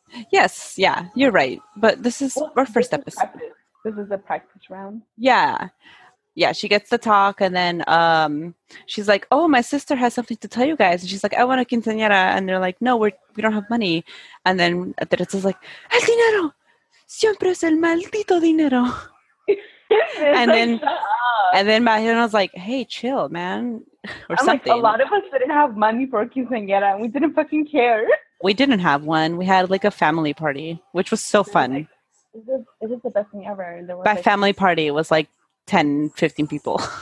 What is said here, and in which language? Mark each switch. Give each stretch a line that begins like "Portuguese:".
English: Yes, yeah, you're right. But this is our first episode. This is a practice round. Yeah. Yeah, she gets to talk and then she's like, oh, my sister has something to tell you guys. And she's like, I want a quinceañera. And they're like, no, we don't have money. And then Teresa's like,
Spanish: el dinero. Siempre es el maldito dinero.
English: And then Mariano's like, hey, chill, man. Or I'm something. Like, a lot of us didn't have money for a quinceañera and we didn't fucking care. We didn't have one. We had like a family party, which was so fun. Like, is this the best thing ever? By like, family party, it was like 10, 15 people.